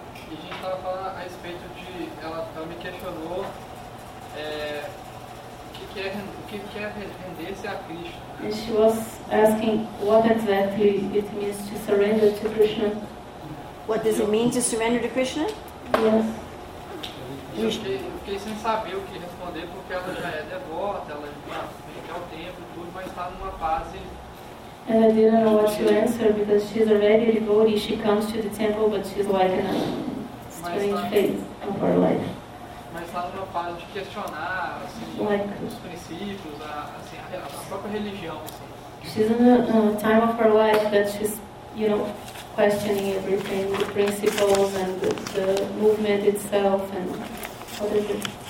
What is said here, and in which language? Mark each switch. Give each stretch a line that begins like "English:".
English: And she was asking what exactly it means to surrender to Krishna. What does it mean to surrender to Krishna? Yes.
Portuguese: Eu fiquei sem saber o que responder, porque ela já é devota, ela já tem o tempo e tudo, mas está numa fase.
English: And I didn't know what to answer because she's already a devotee. She comes to the temple, but she's like in a strange phase of her life.
Portuguese: Mas está numa fase de questionar assim,
English: like,
Portuguese: os princípios, assim, a própria religião. Assim.
English: She's in a time of her life that she's, you know, questioning everything, the principles and the movement itself and everything.